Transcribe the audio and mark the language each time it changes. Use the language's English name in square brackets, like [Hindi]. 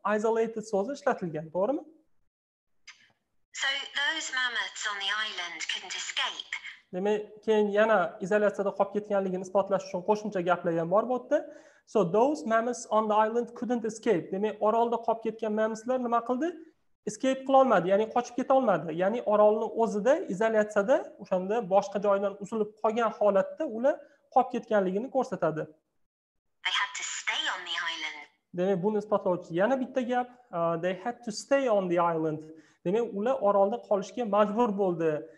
[Uzbek] Isolated so'zi ishlatilgan, to'g'rimi? [English] So those mammoths on the island couldn't escape. [Uzbek] Demak, keyin yana izolyatsiyada qolib ketganligini isbotlash uchun qo'shimcha gaplar ham bor bo'ldi. [English] So those mammals on the island couldn't escape. [Uzbek] Demak, orolda qolib ketgan mammalslar nima qildi? Escape qila olmadi, ya'ni qochib keta olmadi. Ya'ni orolning o'zida izolyatsiyada o'shanda boshqa joydan uzilib qolgan holatda ular qolib ketganligini ko'rsatadi. [English] They had to stay on the island. [Uzbek] Demak, buni isbotlovchi yana bitta gap, [English] they had to stay on the island. [Uzbek] Demak, ular orolda qolishga majbur bo'ldi.